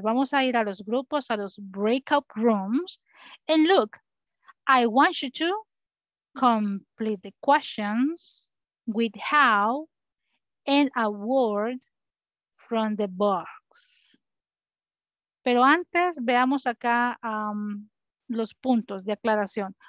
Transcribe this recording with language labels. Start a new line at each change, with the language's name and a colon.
Spanish: Vamos a ir a los grupos, a los breakout rooms.
English: And look, I want you to complete the questions with how and a word from the box.
Spanish: Pero antes, veamos acá los puntos de aclaración.